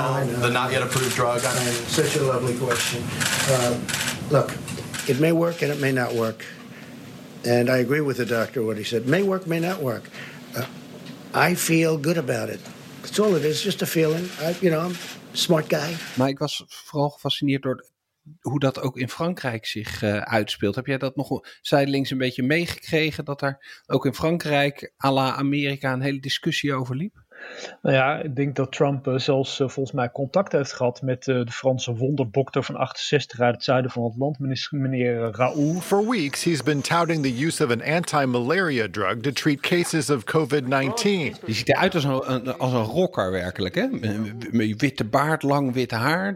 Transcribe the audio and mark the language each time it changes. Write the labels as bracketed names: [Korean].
[English] the not yet approved drug. Such a lovely question. Look, it may work and it may not work. And I agree with the doctor what he said. May work, may not work. I feel good about it. That's all it is, just a feeling. I'm a smart guy. [Dutch] Maar ik was vooral gefascineerd door hoe dat ook in Frankrijk zich uitspeelt. Heb jij dat nog zijdelings een beetje meegekregen, dat daar ook in Frankrijk à la Amerika een hele discussie over liep? Nou ja, ik denk dat Trump zelfs volgens mij contact heeft gehad met de Franse wonderdokter van 68 uit het zuiden van het land, meneer Raoul. [English] For weeks he's been touting the use of an anti-malaria drug to treat cases of COVID-19. [Dutch] Die ziet eruit als een rocker werkelijk, hè? Met witte baard, lang witte haar.